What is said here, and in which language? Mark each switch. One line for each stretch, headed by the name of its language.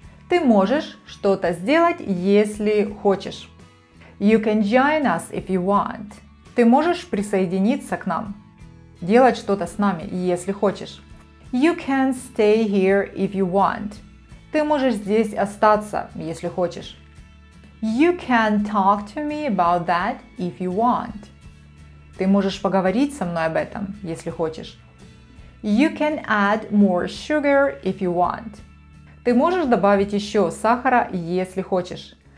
Russian: Ты можешь что-то сделать, если хочешь.
English: You can join us if you want.
Russian: Ты можешь присоединиться к нам, делать что-то с нами, если хочешь.
English: You can stay here if you want.
Russian: Ты можешь здесь остаться, если хочешь.
English: You can talk to me about that if you want.
Russian: Ты можешь поговорить со мной об этом, если хочешь.
English: You can add more sugar if you want.
Russian: Ты можешь добавить еще сахара, если хочешь.